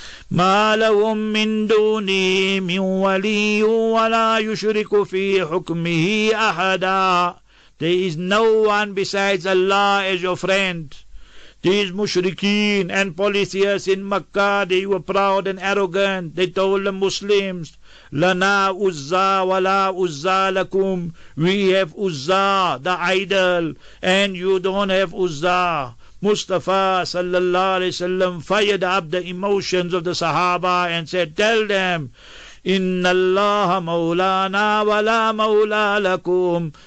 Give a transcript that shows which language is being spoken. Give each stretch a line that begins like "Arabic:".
Arabic: مَا لَهُمْ مِنْ دُونِهِ مِنْ وَلِيٌّ وَلَا يُشْرِكُ فِي حُكْمِهِ أَحَدًا.
English: There is no one besides Allah as your friend. These mushrikeen and polytheists in Makkah, they were proud and arrogant. They told the Muslims,
Arabic: لَنَا أُزَّى وَلَا أُزَّى لَكُمْ.
English: We have Uzzah, the idol, and you don't have Uzzah. Mustafa sallallahu alaihi wasallam fired up the emotions of the Sahaba and said, tell them,
Arabic: Inna Allah maulana wa la maula lakum.